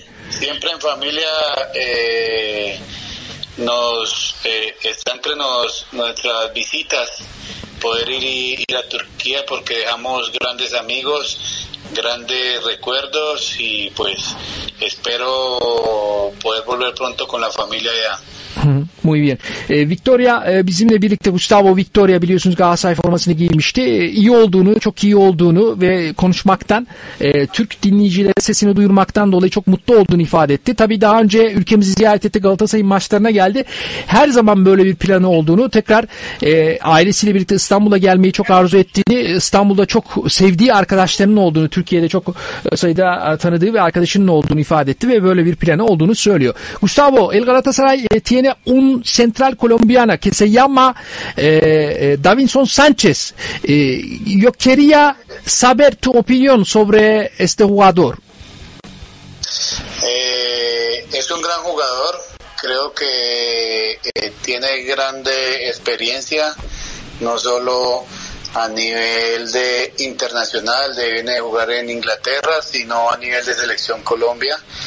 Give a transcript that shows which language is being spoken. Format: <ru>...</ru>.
<es>Siempre en familia está entre nuestras visitas poder ir a Turquía porque dejamos grandes amigos, grandes recuerdos y pues espero poder volver pronto con la familia ya. Muy bien.</es> <tr>Victoria bizimle birlikte, Gustavo Victoria biliyorsunuz Galatasaray formasını giymişti. İyi olduğunu, çok iyi olduğunu ve konuşmaktan, Türk dinleyicilere sesini duyurmaktan dolayı çok mutlu olduğunu ifade etti. Tabii daha önce ülkemizi ziyaret etti, Galatasaray'ın maçlarına geldi. Her zaman böyle bir planı olduğunu, tekrar ailesiyle birlikte İstanbul'a gelmeyi çok arzu ettiğini, İstanbul'da çok sevdiği arkadaşlarının olduğunu, Türkiye'de çok sayıda tanıdığı ve arkadaşının olduğunu ifade etti ve böyle bir planı olduğunu söylüyor.</tr> <es>Gustavo, el Galatasaray tiene un central colombiano que se llama Davinson Sánchez. Yo quería saber tu opinión sobre este jugador. Es un gran jugador, creo que tiene grande experiencia, no solo a nivel de internacional, viene de jugar en Inglaterra, sino a nivel de selección Colombia.</es>